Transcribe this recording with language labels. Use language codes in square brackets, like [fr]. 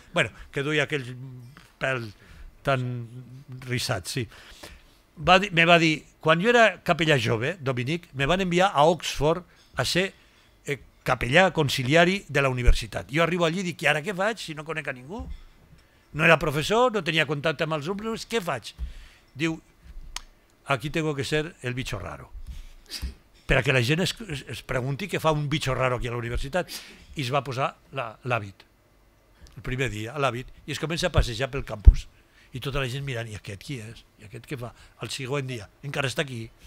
[ca] Bueno, que duia aquells pèls tan rissats, sí. Me va dir, quan jo era capellà jove, dominic, me van enviar a Oxford a ser capellà conciliari de la universitat. Jo arribo allí i dic, i ara què faig si no conec a ningú? No era professor, no tenia contacte amb els alumnes, què faig? [es] Diu, aquí tengo que ser el bicho raro. [ca] Per a que la gent es pregunti què fa un bicho raro aquí a la universitat. I es va posar l'hàbit, el primer dia, a l'hàbit, i es comença a passejar pel campus. I tota la gent mirant, i aquest qui és? I aquest què fa? El següent dia, encara està aquí.